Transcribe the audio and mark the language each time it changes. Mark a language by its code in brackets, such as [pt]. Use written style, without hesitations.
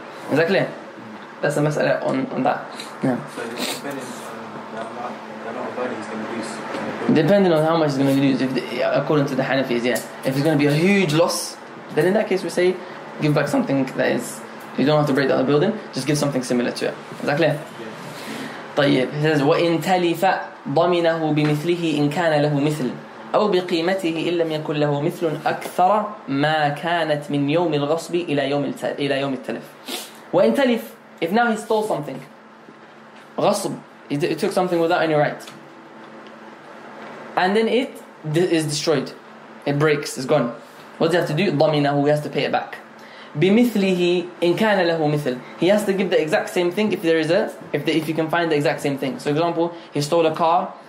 [en] Is that clear? That's the mas'ala on that. Yeah. So depending on the amount of money he's going to lose. Depending on how much he's going to lose, according to the Hanafis, yeah. If it's going to be a huge loss, then in that case we say, give back something that is, you don't have to break down the building, just give something similar to it. Is that clear? طيب. [ar] He says, وَإِن تَلِفَ ضَمِنَهُ بِمِثْلِهِ إِن كَانَ لَهُ مِثْلٍ أو بقيمته إن لم يكن له مثل أكثر ما كانت من يوم الغصب إلى يوم التلف. وإن تلف, [en] if now he stole something, غصب, he took something without any right, and then it is destroyed, it breaks, it's gone. What does he have to do? ضمنه, he has to pay it back. [ar] بمثله إن كان له مثل, [en] he has to give the exact same thing if there is a, if you can find the exact same thing. So example, he stole a car.